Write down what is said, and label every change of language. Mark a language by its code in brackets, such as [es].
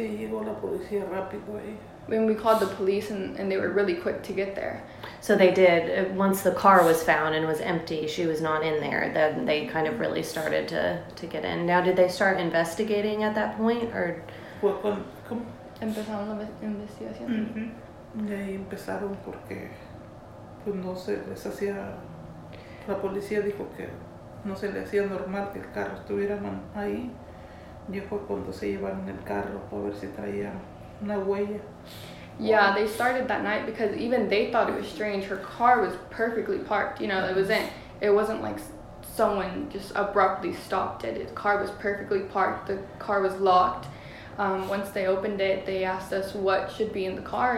[en] When we called the police, and they were really quick to get there. So they did. Once the car was found and was empty, she was not in there, then they kind of really started to get in. Now, did they start investigating at that point, or? [es] Empezaron la investigación. Mm-hmm. Y ahí empezaron porque, pues no se les hacía, la policía dijo que no se le hacía normal que el carro estuviera ahí. Y fue cuando se llevaron el carro para ver si traía una huella. [en] Yeah, they started that night because even they thought it was strange. Her car was perfectly parked, you know, it was in. It wasn't like someone just abruptly stopped it. The car was perfectly parked. The car was locked. Once they opened it, they asked us what should be in the car.